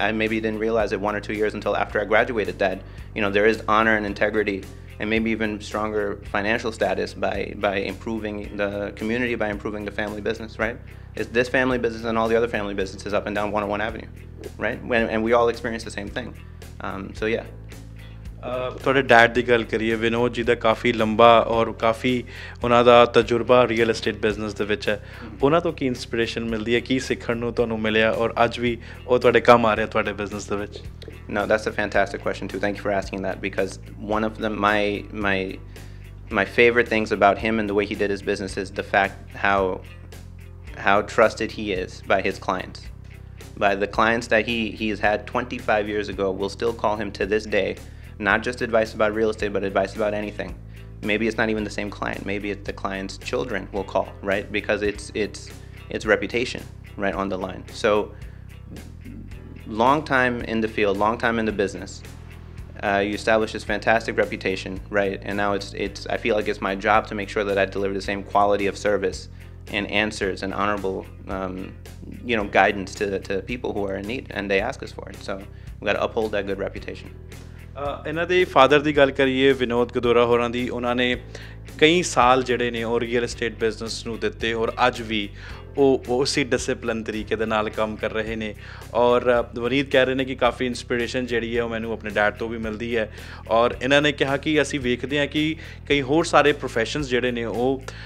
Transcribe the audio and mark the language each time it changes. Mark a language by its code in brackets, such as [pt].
[en] I maybe didn't realize it 1 or 2 years until after I graduated that, you know, there is honor and integrity and maybe even stronger financial status by improving the community, by improving the family business, right? It's this family business and all the other family businesses up and down 101 Avenue, right? And we all experience the same thing. So yeah. [pa] ਤੁਹਾਡੇ dad ਦੀ ਗੱਲ ਕਰੀਏ, ਵਿਨੋਦ ਜੀ ਦਾ ਕਾਫੀ ਲੰਬਾ ਔਰ ਕਾਫੀ ਉਹਨਾਂ ਦਾ ਤਜਰਬਾ real estate business ਦੇ ਵਿੱਚ ਹੈ, ਉਹਨਾਂ ਤੋਂ ਕੀ ਇਨਸਪੀਰੇਸ਼ਨ ਮਿਲਦੀ ਹੈ, ਕੀ ਸਿੱਖਣ ਨੂੰ ਤੁਹਾਨੂੰ ਮਿਲਿਆ ਔਰ ਅੱਜ ਵੀ ਉਹ ਤੁਹਾਡੇ ਕੰਮ ਆ ਰਿਹਾ ਤੁਹਾਡੇ ਬਿਜ਼ਨਸ ਦੇ ਵਿੱਚ? [en] Now that's a fantastic question too, thank you for asking that, because one of the my favourite things about him and the way he did his business is the fact how trusted he is by his clients. By the clients that he has had 25 years ago, will still call him to this day, not just advice about real estate, but advice about anything. Maybe it's not even the same client. Maybe it's the client's children will call, right? Because it's reputation, right, on the line. So long time in the field, long time in the business, you establish this fantastic reputation, right? And now it's I feel like it's my job to make sure that I deliver the same quality of service and answers and honorable you know, guidance to people who are in need, and they ask us for it. So we got to uphold that good reputation. [pa] ਇਹਨਾਂ ਦੇ father ਦੀ ਗੱਲ ਕਰੀਏ, ਵਿਨੋਦ ਗਦੋਰਾ ਹੋਰਾਂ ਦੀ, ਉਹਨਾਂ ਨੇ ਕਈ ਸਾਲ ਜਿਹੜੇ ਨੇ ਉਹ ਰੀਅਲ ਇਸਟੇਟ ਬਿਜ਼ਨਸ ਨੂੰ ਦਿੱਤੇ ਔਰ ਅੱਜ ਵੀ ਉਹ ਉਸੇ ਡਿਸਿਪਲਨ ਤਰੀਕੇ ਦੇ ਨਾਲ ਕੰਮ ਕਰ ਰਹੇ ਨੇ ਔਰ ਵਨੀਤ ਕਹਿ ਰਹੇ ਨੇ ਕਿ ਕਾਫੀ ਇੰਸਪੀਰੇਸ਼ਨ ਜਿਹੜੀ ਹੈ ਉਹ ਮੈਨੂੰ ਆਪਣੇ ਡੈਡ ਤੋਂ ਵੀ ਮਿਲਦੀ ਹੈ ਔਰ ਇਹਨਾਂ ਨੇ ਕਿਹਾ ਕਿ ਅਸੀਂ ਵੇਖਦੇ ਹਾਂ ਕਿ ਕਈ ਹੋਰ ਸਾਰੇ ਪ੍ਰੋਫੈਸ਼ਨਸ ਜਿਹੜੇ ਨੇ ਉਹ